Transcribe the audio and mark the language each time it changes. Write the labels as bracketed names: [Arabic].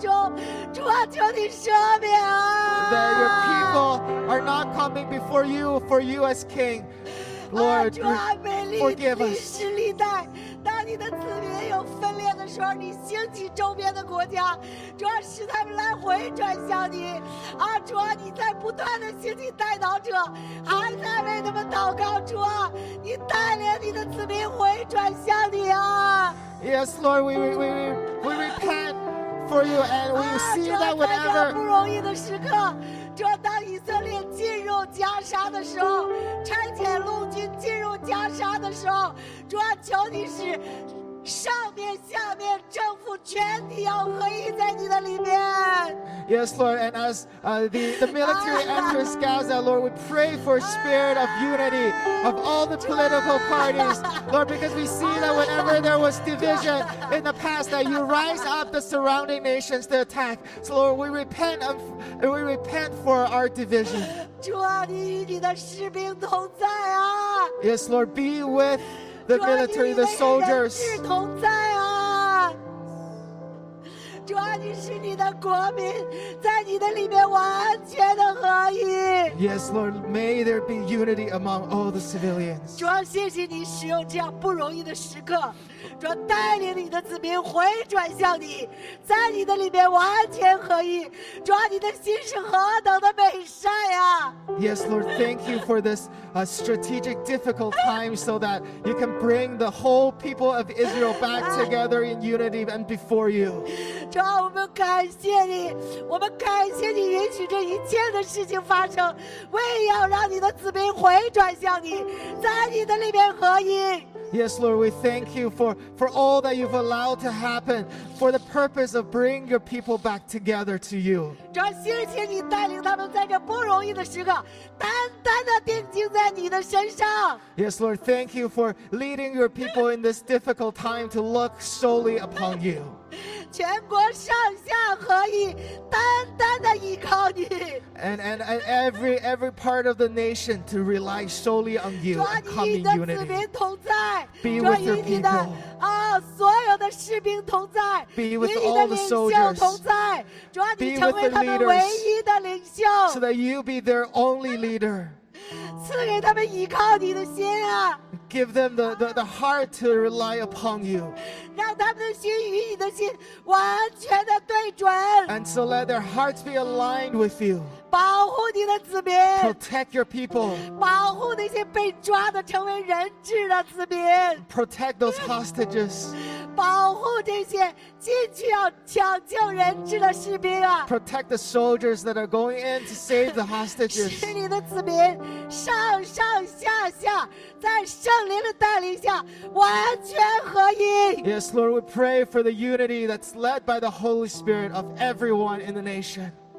[English] That your people are not coming before you, for you as king. Lord, forgive us. [Chinese] 当你的子民有分裂的时候，你兴起周边的国家，主要使他们来回转向你。啊，主啊，你在不断的兴起代祷者，还在为他们祷告。主啊，你带领你的子民回转向你啊。 [English] Yes, Lord, we repent for you, and we see that whenever [Chinese] 在这不容易的时刻。主啊，当以色列进入加沙的时候，差遣陆军进入加沙的时候，主啊，求你使上面、下面、政府全体要合一在你的里面。 [English] Yes, Lord, and as the military enters Gaza, Lord, we pray for a spirit of unity of all the political parties, Lord, because we see that whenever there was division in the past, that you rise up the surrounding nations to attack. So, Lord, we repent for our division. [Chinese] 主啊，你与你的士兵同在啊。 [English] Yes, Lord, be with the military, the soldiers. [Chinese] 主啊，你与人质同在啊。主啊，你是你的国民，在你的里面完全的合一。 [English] Yes, Lord, may there be unity among all the civilians. [Chinese] 主啊，谢谢你使用这样不容易的时刻，主啊，带领你的子民回转向你，在你的里面完全合一。主啊，你的心是何等的美善呀！ [English] Yes, Lord, thank you for this strategic difficult time so that you can bring the whole people of Israel back together in unity and before you. [Chinese] 主啊，我们感谢你，我们感谢你允许这一切的事情发生，为要让你的子民回转向你，在你的里面合一。 [English] Yes, Lord, we thank you for all that you've allowed to happen for the purpose of bringing your people back together to you. [Chinese] 主啊，谢谢你带领他们在这不容易的时刻，单单的定睛在你的身上。 [English] Yes, Lord, thank you for leading your people in this difficult time to look solely upon you. [Chinese] 全国上下合一，单单的依靠你。 [English] And every part of the nation to rely solely on you and come in unity. Be with your people. Be with your people. [Chinese] 啊，所有的士兵同在。 [English] Be with all the soldiers. [Chinese] 同在。主啊，你成为他们唯一的领袖。 [English] So that you be their only leader. [Chinese] 赐给他们依靠你的心啊。 [English] Give them the heart to rely upon you. [Chinese] 让他们的心与你的心完全的对准。 [English] And so let their hearts be aligned with you. [Chinese] 保护你的子民。 [English] Protect your people. [Chinese] 保护那些被抓的成为人质的子民。 [English] Protect those hostages. [Chinese] 保护这些进去要抢救人质的士兵啊。 [English] Protect the soldiers that are going in to save the hostages. [Chinese] 使你的子民上上下下在圣灵的带领下完全合一。 [English] Yes, Lord, we pray for the unity that's led by the Holy Spirit of everyone in the nation.